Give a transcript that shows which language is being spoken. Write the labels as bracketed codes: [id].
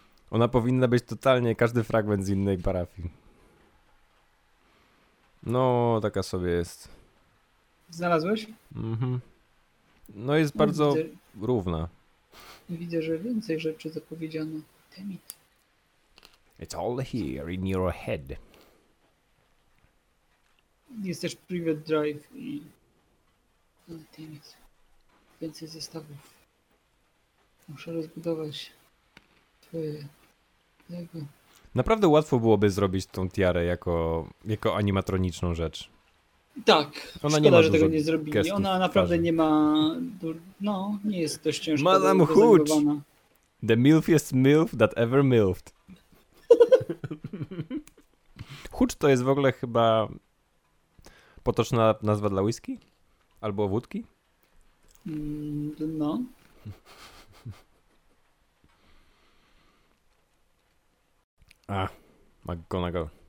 [pl] Ona powinna być totalnie każdy fragment z innej parafii. No, taka sobie jest. Znalazłeś? Mhm. No jest bardzo równa. Widzę, że więcej rzeczy zapowiedziano. [en] Damn it. It's all here in your head. [pl] Jest też private drive i... [en] Oh, damn it. [pl] Więcej zestawów. Muszę rozbudować twoje... Lego. Naprawdę łatwo byłoby zrobić tą tiarę jako animatroniczną rzecz. Tak, ona szkoda, że tego nie zrobili. Ona naprawdę nie ma... No, nie jest dość ciężko. [en] Madam Hooch! The milfiest milf that ever milfed. [pl] Hooch to jest w ogóle chyba potoczna nazwa dla whisky? Albo wódki? No. A, McGonagall.